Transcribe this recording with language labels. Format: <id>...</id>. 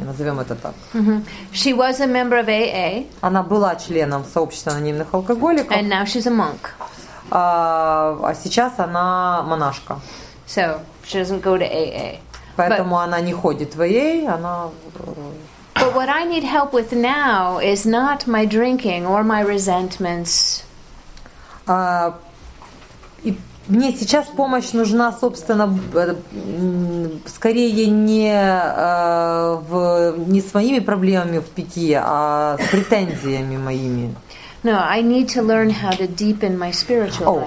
<ru>Назовем это так.</ru> <en>She was a member of AA.</en> <ru>Она была членом сообщества анонимных алкоголиков.</ru> <en>And now she's a monk.</en> <ru>А сейчас она монашка.</ru> <en>So she doesn't go to AA.</en> <ru>Поэтому она не ходит в AA, она...</ru> <en>But what I need help with now is not my drinking or my resentments.</en> <ru>И мне сейчас помощь нужна, собственно, скорее не с моими проблемами в питье, а с претензиями моими.</ru> <en>No, I need to learn how to deepen my spiritual life.</en>